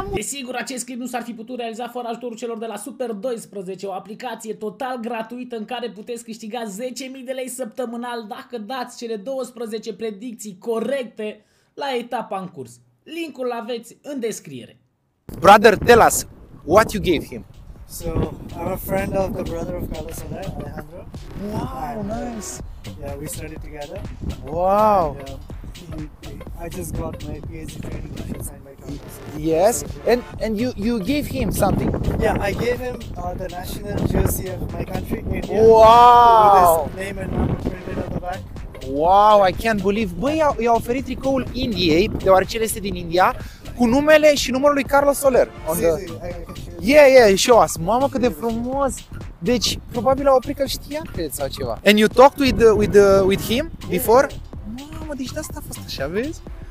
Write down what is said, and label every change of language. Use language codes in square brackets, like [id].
[ro] Desigur, acest clip nu s-ar fi putut realiza fără ajutorul celor de la Super 12, o aplicație total gratuită în care puteți câștiga 10.000 de lei săptămânal dacă dați cele 12 predicții corecte la etapa în curs. Link-ul aveți în descriere. [en] Brother, tell us what you gave him. So, I'm a friend of the brother of Carlos Soler, Alejandro. Wow, and, nice! Yeah, we studied together. Wow! And, I just got my PhD training signed by Carlos Soler. Yes, so, and you gave him something? Yeah, I gave him the national jersey of my country, India. Wow! With his name and number printed on the back. Wow, I can't believe. [ro] Băi, i-a oferit tricoul Indiei, deoarece el este din India, cu numele și numărul lui Carlos Soler. [en] Yeah, show us. [ro] Mamă, cât de frumos. Deci, probabil au oprit că-l știa, cred, sau ceva. [en] And you talked with him before? [ro] Mamă, deci de asta a fost așa, vezi?